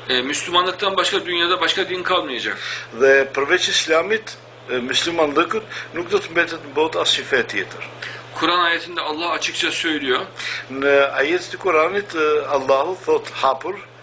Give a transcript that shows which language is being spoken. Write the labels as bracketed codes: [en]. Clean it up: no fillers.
[tr] Muslimanlıktan başka dünyada başka din kalmayacak. [sq] Dhe përveç islamit, muslimanlıkut nuk do të mbetet në botë as fe tjetër. [tr] Kur'an ayetinde Allah açıkça söylüyor. [sq] Në ayet të Kur'anit Allahu thot hapur.